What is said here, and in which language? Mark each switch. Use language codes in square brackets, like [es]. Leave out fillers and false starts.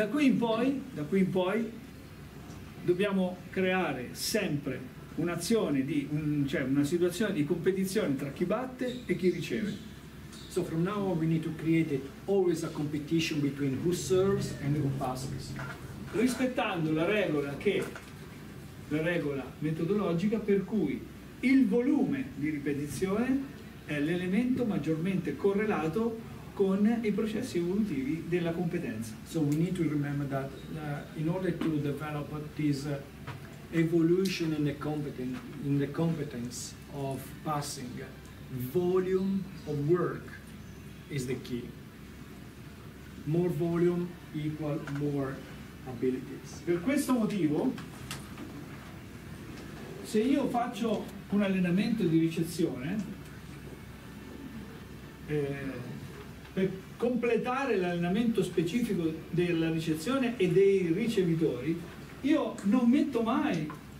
[it] Da qui in poi, dobbiamo creare sempre una situazione di competizione tra chi batte e chi riceve. [en] So from now on we need to create always a competition between who serves and who passes. [it] Rispettando la regola metodologica per cui il volume di ripetizione è l'elemento maggiormente correlato con i processi evolutivi della competenza. [en] So we need to remember that in order to develop this evolution in the competence of passing, volume of work is the key. More volume equal more abilities. [it] Per questo motivo, se io faccio un allenamento di ricezione, per completare l'allenamento specifico della ricezione e dei ricevitori, io non metto mai